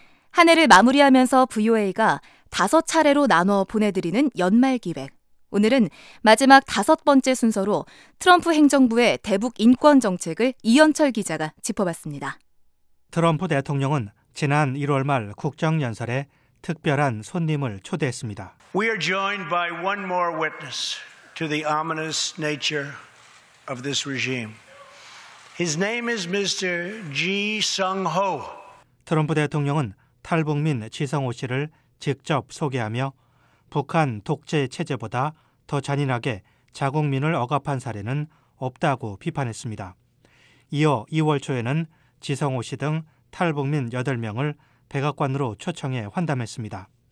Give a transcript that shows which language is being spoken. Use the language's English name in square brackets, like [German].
[Korean] 한 해를 마무리하면서 VOA가 다섯 차례로 나눠 보내드리는 연말 기획. 오늘은 마지막 다섯 번째 순서로 트럼프 행정부의 대북 인권 정책을 이현철 기자가 짚어봤습니다. 트럼프 대통령은 지난 1월 말 국정연설에 특별한 손님을 초대했습니다. [English] We are joined by one more witness to the ominous nature of this regime. His name is Mr. Ji Sung-ho. [Korean] 트럼프 대통령은 탈북민 지성호 씨를 직접 소개하며 북한 독재 체제보다 더 잔인하게 자국민을 억압한 사례는 없다고 비판했습니다. 이어 2월 초에는 지성호 씨 등 탈북민 8명을 백악관으로 초청해 환담했습니다.